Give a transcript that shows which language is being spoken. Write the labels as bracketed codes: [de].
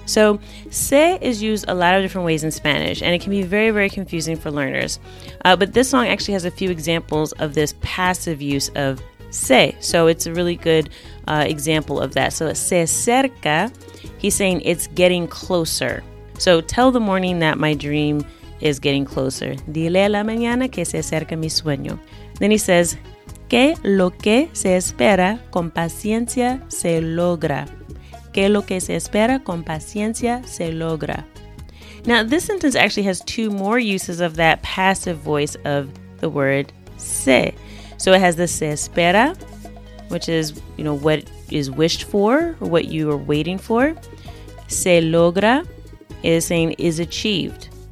[en] So se is used a lot of different ways in Spanish, and it can be very, very confusing for learners. But this song actually has a few examples of this passive use of se. So it's a really good example of that. So se acerca, he's saying it's getting closer. So tell the morning that my dream is getting closer. [es] Dile a la mañana que se acerca mi sueño. [en] Then he says, [es] que lo que se espera con paciencia se logra. Que lo que se espera con paciencia se logra. [en] Now, this sentence actually has two more uses of that passive voice of the word se. So it has the se espera, which is, you know, what is wished for, or what you are waiting for. Se logra is saying is achieved.